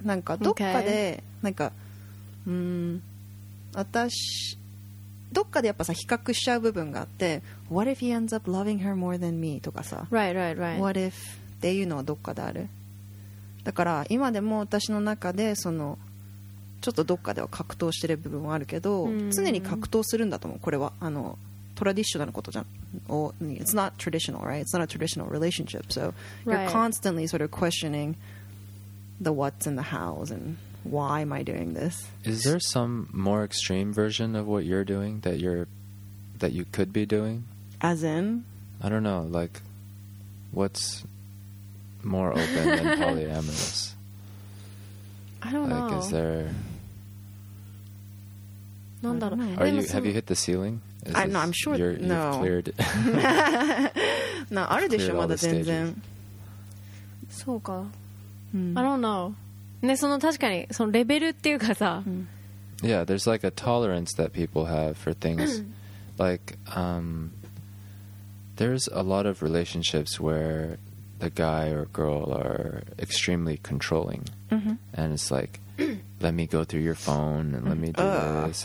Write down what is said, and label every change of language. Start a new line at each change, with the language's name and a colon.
Japanese: なんかどっかで、なんか、okay. うーん、私、どっかでやっぱさ、比較しちゃう部分があって、
English: What if he ends up loving her more than me?
Japanese: とかさ、
English: Right, right, right. What if?
Japanese: っていうのはどっかである。だから今でも私の中でそのちょっとどっかでは格闘してる部分はあるけど、常に格闘するんだと思う。これはあのトラディショナルことじゃん。
English: It's not traditional, right? It's not a traditional relationship. So you're constantly sort of questioning the what's and the how's and why am I doing this? Is there some more extreme version of what you're doing that you're that you could be doing? As in? I don't know. Like, what's more open than polyamorous? I don't like, know. Like, is there...
Japanese: なんだろう。
English: Are you, have you hit the ceiling? I, no, I'm sure... You're, no. You've cleared...
Japanese: no, あるでしょ、まだ全然。そうか。
English: I don't know.
Japanese: ね、その確かに、そのレベルっていうかさ。
English: Yeah, there's like a tolerance that people have for things. like, there's a lot of relationships where... the guy or girl are extremely controlling. Mm-hmm. And it's like, let me go through your phone and let me do this.